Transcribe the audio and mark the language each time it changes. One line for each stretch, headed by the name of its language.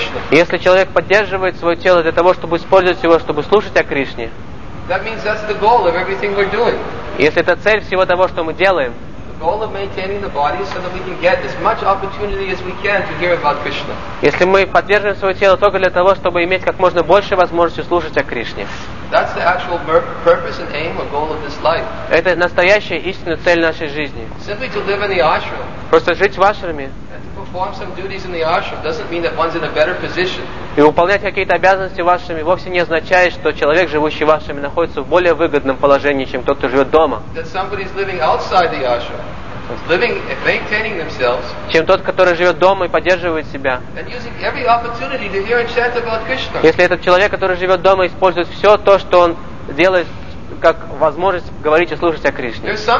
Russian: Если человек поддерживает свое тело для того, чтобы использовать его, чтобы слушать о Кришне,
English: that means that's the goal of everything we're doing.
Russian: Если это цель всего того, что мы делаем,
English: the goal of maintaining the body is so that we can get as much opportunity as we can to hear about Krishna.
Russian: Если мы поддерживаем свое тело только для того, чтобы иметь как можно больше возможности слушать о Кришне,
English: that's the actual purpose and aim or goal of this life.
Russian: Это настоящая истинная цель нашей жизни.
English: Simply to live in the ashram.
Russian: Просто жить в ашраме.
English: Perform some duties in the ashram doesn't mean that one's in a better position.
Russian: И выполнять какие-то обязанности в ашраме вовсе не означает, что человек, живущий в ашраме, находится в более выгодном положении, чем тот, кто живет дома.
English: That somebody's living outside the ashram, living and maintaining themselves.
Russian: Чем тот, который живет дома и поддерживает себя.
English: And using every opportunity to hear and chant about Krishna.
Russian: Если этот человек, который живет дома, использует все то, что он делает, как возможность говорить и слушать о Кришне.